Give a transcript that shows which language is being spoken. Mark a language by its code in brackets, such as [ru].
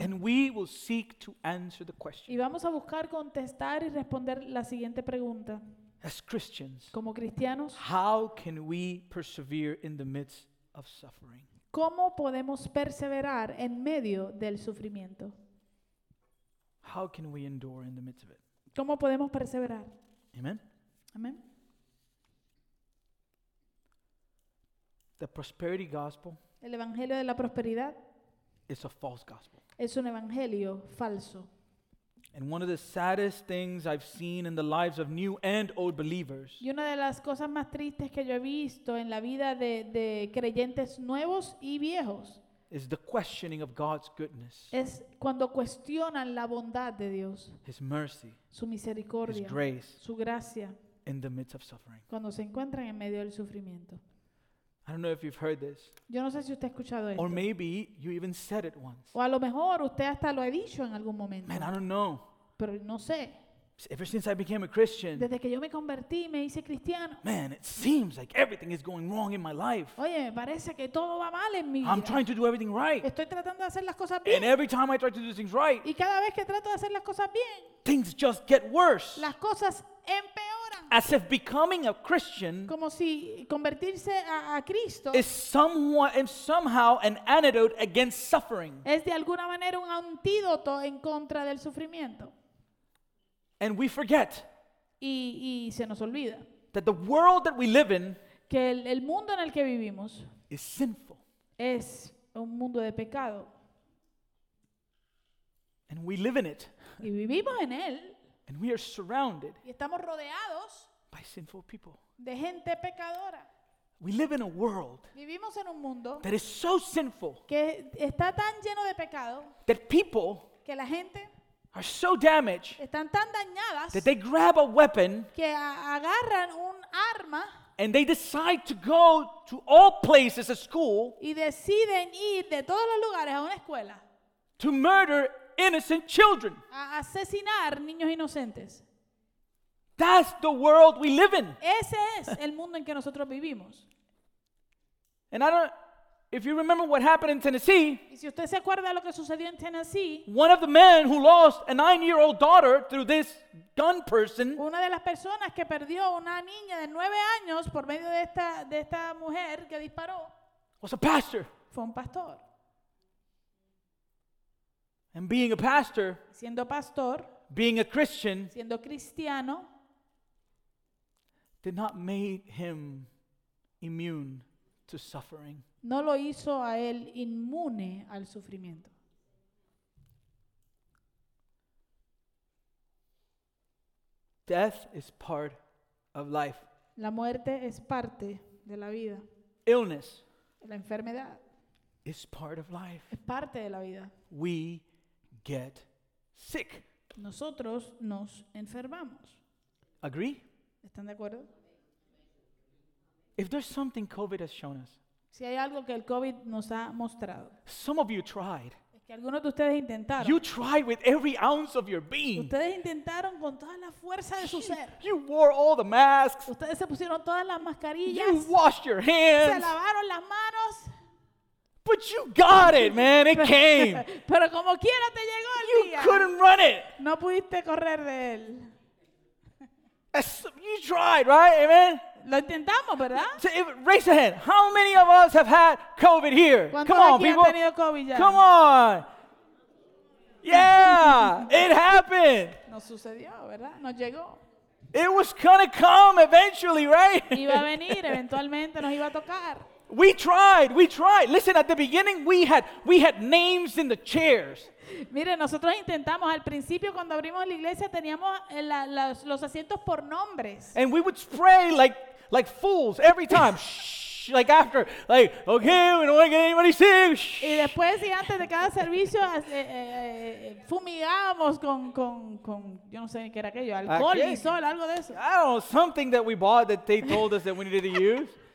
[en] And we will seek to answer the question. [es] Y vamos a buscar contestar y responder la siguiente pregunta. [en] As Christians, [es] como cristianos, [en] how can we persevere in the midst of suffering? [es] ¿Cómo podemos perseverar en medio del sufrimiento? [en] How can we endure in the midst of it? [es] ¿Cómo podemos perseverar? [en] Amen. [es] Amen. [en] The prosperity gospel. [es] El evangelio de la prosperidad. [en] Is a false gospel. [es] Es un evangelio falso. [en] And one of the saddest things I've seen in the lives of new and old believers. [es] Y una de las cosas más tristes que yo he visto en la vida de creyentes nuevos y viejos. [en] Is the questioning of God's goodness. [es] Es cuando cuestionan la bondad de Dios. [en] His mercy. [es] Su misericordia. [en] His grace. [es] Su gracia. [en] In the midst of suffering. [es] Cuando se encuentran en medio del sufrimiento. [en] I don't know if you've heard this. [es] Yo no sé si usted ha escuchado esto. [en] Or maybe you even said it once. [es] O a lo mejor usted hasta lo ha dicho en algún momento. [en] Man, I don't know. [es] Pero no sé. [en] Ever since I became a Christian, [es] desde que yo me convertí, me hice cristiano. [en] Man, it seems like everything is going wrong in my life. [es] Oye, me parece que todo va mal en mi vida. [en] I'm trying to do everything right. [es] Estoy tratando de hacer las cosas bien. [en] And every time I try to do things right, [es] y cada vez que trato de hacer las cosas bien, [en] things just get worse. [es] Las cosas empeoran. [en] As if becoming a Christian, [es] como si convertirse a Cristo, [en] is somewhat and somehow an antidote against suffering. [es] Es de alguna manera un antídoto en contra del sufrimiento. [en] And we forget [es] y se nos olvida [en] that the world that we live in, [es] que el mundo en el que vivimos, [en] is sinful. [es] Es un mundo de pecado. [en] And we live in it. [es] Y vivimos en él. [en] And we are surrounded, [es] y estamos rodeados, [en] by sinful people. [es] De gente pecadora. [en] We live in a world, [es] vivimos en un mundo, [en] that is so sinful, [es] que está tan lleno de pecado, [en] that people, [es] que la gente, [en] are so damaged, [es] están tan dañadas, [en] that they grab a weapon, [es] que agarran un arma, [en] And they decide to go to all places, a school. [es] Y deciden ir de todos los lugares a una escuela. [en] To murder innocent children. [es] A asesinar niños inocentes. [en] That's the world we live in. [es] Ese es el mundo en que nosotros vivimos. [en] And I don't, if you remember what happened in Tennessee, [es] y si usted se acuerda lo que sucedió en Tennessee, [en] one of the men who lost a 9-year-old daughter through this gun person, [es] una de las personas que perdió una niña de 9 años por medio de esta mujer que disparó, [en] was a pastor. [es] Fue un pastor. [en] And being a pastor, [es] siendo pastor, [en] being a Christian, [es] siendo cristiano, [en] did not make him immune to suffering. [es] No lo hizo a él inmune al sufrimiento. [en] Death is part of life. [es] La muerte es parte de la vida. [en] Illness. [es] La enfermedad. [en] Is part of life. [es] Es parte de la vida. [en] We get sick. [es] Nosotros nos enfermamos. [en] Agree? [es] ¿Están de acuerdo? [en] If there's something COVID has shown us, [es] si hay algo que el COVID nos ha mostrado, [en] some of you tried. [es] Es que algunos de ustedes intentaron. [en] You tried with every ounce of your being. [es] Ustedes intentaron con toda la fuerza de su ser. [en] You wore all the masks. [es] Ustedes se pusieron todas las mascarillas. [en] You washed your hands. [es] Se lavaron las manos. [en] But you got it, man. It came. [es] Pero como quiera te llegó el día. [en] You couldn't run it. [es] No pudiste correr de él. [en] You tried, right? Amen. [es] Lo intentamos, ¿verdad? [en] So, raise your hand. How many of us have had COVID here? Come on, people. [es] ¿Cuántos han tenido COVID ya? [en] Come on. Yeah, it happened. [es] Nos sucedió, ¿verdad? Nos llegó. [en] It was gonna come eventually, right? [es] Iba a venir eventualmente. Nos iba a tocar. [en] We tried. Listen, at the beginning we had names in the chairs. [es] Mire, nosotros intentamos al principio cuando abrimos la iglesia teníamos los asientos por nombres. [en] And we would spray like fools every time. Shh, like after, like, okay, we don't want to get anybody sick. Shh. [es] Y después y antes de cada servicio fumigábamos con yo no sé qué era aquello, alcohol, okay. Lysol, algo de eso. [en] I don't know, something that we bought that they told us that we needed to use.